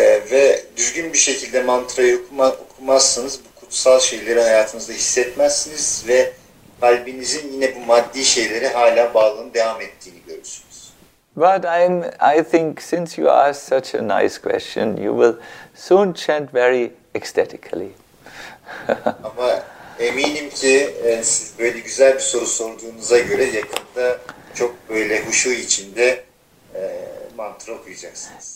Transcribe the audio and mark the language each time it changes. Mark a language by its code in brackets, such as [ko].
[tr] Ve düzgün bir şekilde mantrayı okumazsanız bu kutsal şeyleri hayatınızda hissetmezsiniz ve kalbinizin yine bu maddi şeylere hala bağlılığını devam ettiğini görürsünüz. [en] But I think since you asked such a nice question, you will soon chant very ecstatically. [tr] Ama eminim ki siz böyle güzel bir soru sorduğunuza göre yakında çok böyle huşu içinde mantra okuyacaksınız.